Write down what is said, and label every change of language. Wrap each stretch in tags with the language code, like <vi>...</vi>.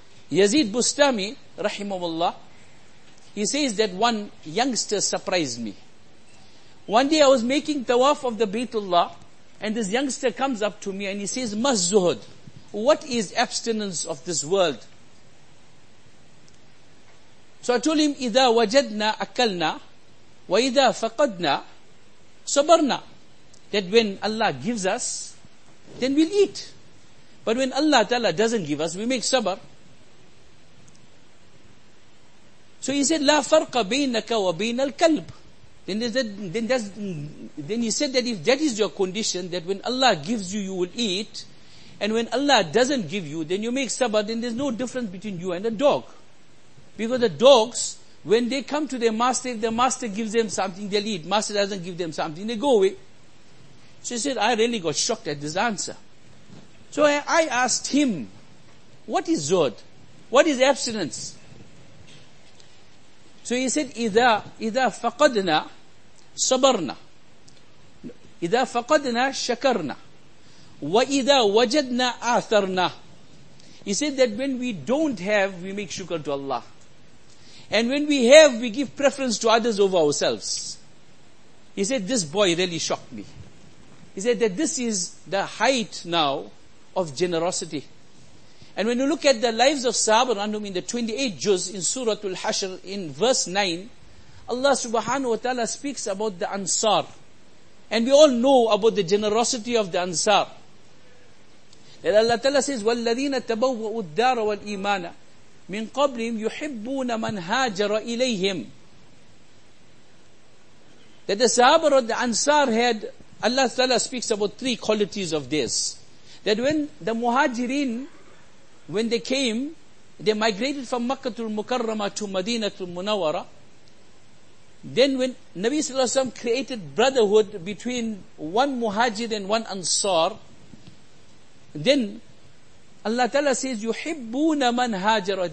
<en>Yazid Bustami, rahimahullah, he says that one youngster surprised me. One day I was making tawaf of the Baytullah, and this youngster comes up to me and he says, Mazzuhud, what is abstinence of this world? So I told him,</en> <ar>إِذَا وَجَدْنَا أَكَلْنَا وَإِذَا فَقَدْنَا صَبَرْنَا.</ar> <en>That when Allah gives us, then we'll eat. But when Allah Ta'ala doesn't give us, we make sabr. So he said,</en> <ar>لَا فَرْقَ بَيْنَكَ وَبَيْنَ الْكَلْبِ.</ar> <en>Then he said that if that is your condition, that when Allah gives you, you will eat, and when Allah doesn't give you, then you make sabr, then there's no difference between you and a dog. Because the dogs, when they come to their master, if the master gives them something, they'll eat. Master doesn't give them something, they go away. So he said, I really got shocked at this answer. So I asked him, what is zuhd? What is abstinence? So he said,</en> <ar>إِذَا فَقَدْنَا صَبَرْنَا إِذَا فَقَدْنَا شَكَرْنَا وَإِذَا وَجَدْنَا آثَرْنَا.</ar> <en>He said that when we don't have, we make shukr to Allah. And when we have, we give preference to others over ourselves. He said, this boy really shocked me. He said that this is the height now of generosity. And when you look at the lives of Sahaba Ranum in the 28 Juz in Surah Al-Hashr in verse 9, Allah subhanahu wa ta'ala speaks about the Ansar. And we all know about the generosity of the Ansar. That Allah Ta'ala says,</en> <ar>وَالَّذِينَ تَبَوَّؤُوا الدَّارَ وَالْإِيمَانَ مِنْ قَبْلِهِمْ يُحِبُّونَ مَنْ هَاجَرَ إِلَيْهِمْ.</ar> <en>That the Sahaba or the Ansar had, Allah Ta'ala speaks about three qualities of this. That when the Muhajirin, when they came, they migrated from Makkah to Mukarramah to Medina to Munawwara. Then when Nabi Sallallahu Alaihi Wasallam created brotherhood between one Muhajir and one Ansar, then Allah Ta'ala says,</en> <ar>يُحِبُّونَ مَنْ هَاجَرَ.</ar>